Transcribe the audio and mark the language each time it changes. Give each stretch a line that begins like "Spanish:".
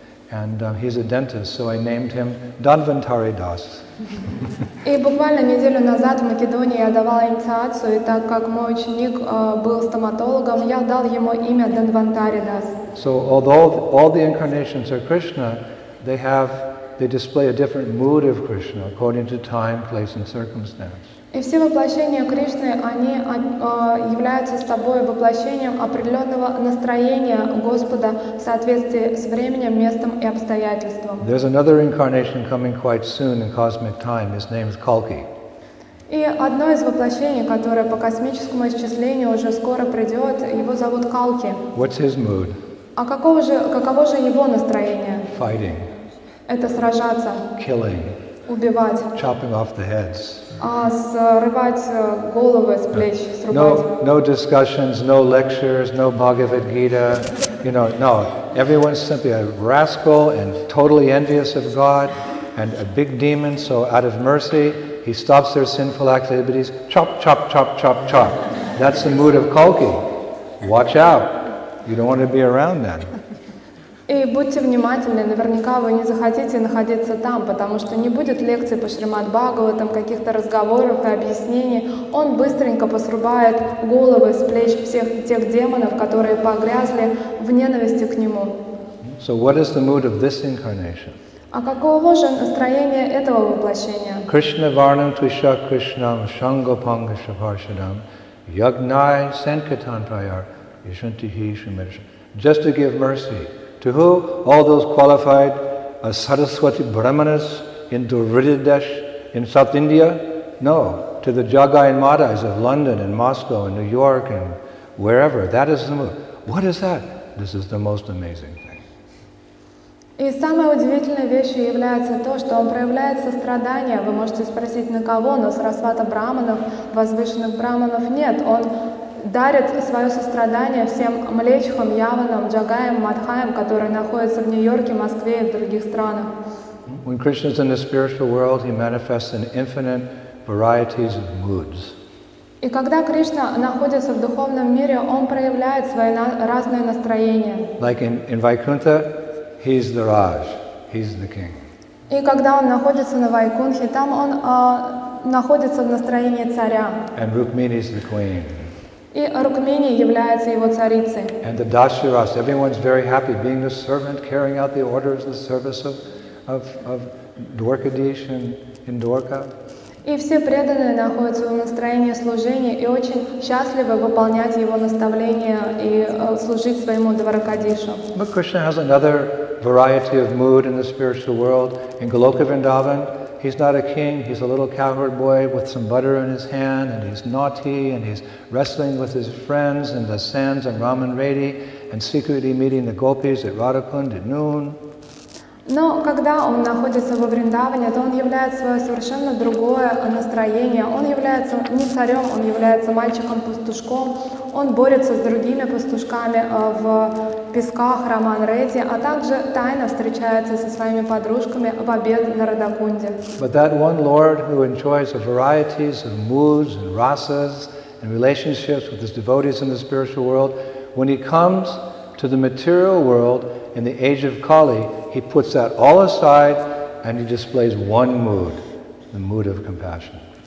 English: And he's a dentist, so I named him Danvantari Das.
Russian: И буквально неделю назад в Македонии я давала инициацию, и так как мой ученик был стоматологом, я дал ему имя Данвантари Das.
English: So although all the incarnations are Krishna, they display a different mood of Krishna according to time, place, and circumstance.
Russian: И все воплощения Кришны, они являются собой воплощением определенного настроения Господа в соответствии с временем, местом и обстоятельством.
English: There's another incarnation coming quite soon in cosmic time. His name is Kalki.
Russian: И одно из воплощений, которое по космическому исчислению уже скоро придет, его зовут Калки.
English: What's his mood?
Russian: А каково же его настроение?
English: Fighting.
Russian: Это сражаться.
English: Killing.
Russian: Убивать.
English: Chopping off the heads.
Russian: Срывать головы с плеч, срубать.
English: No discussions, no lectures, no Bhagavad Gita. You know, no. Everyone's simply a rascal and totally envious of God and a big demon, so out of mercy, he stops their sinful activities. Chop, chop, chop, chop, chop. That's the mood of Kalki. Watch out. You don't want to be around then.
Russian: И будьте внимательны, наверняка вы не захотите находиться там, потому что не будет лекций по Шримад Бхагаватам, каких-то разговоров и объяснений. Он быстренько посрубает головы с плеч всех тех демонов, которые погрязли в ненависти к нему.
English: So what is the mood of this incarnation?
Russian: А каково же настроение этого воплощения?
Sanskrit: Krishna Varnam Tusha Krishnam Shangopanga Shaparshadam Yagnai Sankatan Prayar Yashantihi Shumirsham.
English: Just to give mercy. To who? All those qualified Saraswati Brahmanas in Duryodhanesh in South India? No. To the Jagai and Madais of London and Moscow and New York and wherever. That is the mood. What is that? This is the most amazing thing.
Russian: И самой удивительной вещью является то, что он проявляет сострадание. Вы можете спросить, на кого? Но Сарасвата Брахманов, возвышенных Брахманов нет. Он дарит свое сострадание всем млечхам, яванам, джагаям, матхаям, которые находятся в Нью-Йорке, Москве и в других странах.
English: When Krishna is in the spiritual world, he manifests an infinite varieties of moods.
Russian: И когда Кришна находится в духовном мире, он проявляет свои разные настроения.
English: Like in Vaikuntha, he's the Raj, he's the king.
Russian: И когда он находится на Вайкунхе, там он находится в настроении царя.
English: And Rukmini is the queen.
Russian: И Рукмини является его царицей.
English: And the Dashiras, everyone's very happy being the servant, carrying out the orders, the service of Dwarkadish in Dwarka.
Russian: И все преданные находятся в настроении служения и очень счастливы выполнять его наставления и служить своему Дваракадишу.
English: But Krishna has another variety of mood in the spiritual world. In Goloka Vrindavan, he's not a king, he's a little cowherd boy with some butter in his hand, and he's naughty, and he's wrestling with his friends in the sands of Raman Redi, and secretly meeting the gopis at Radhakund at noon.
Russian: Но когда он находится во Вриндаване, то он является свое совершенно другое настроение. Он является не царем, он является мальчиком-пастушком. Он борется с другими пастушками в песках Раман Реди, а также тайно встречается со своими подружками в обед на Радхакунде.
English: But that one lord who enjoys the varieties of moods and rasas and relationships with his devotees in the spiritual world, when he comes to the material world in the age of Kali, he puts that all aside and he displays one mood, the mood of compassion.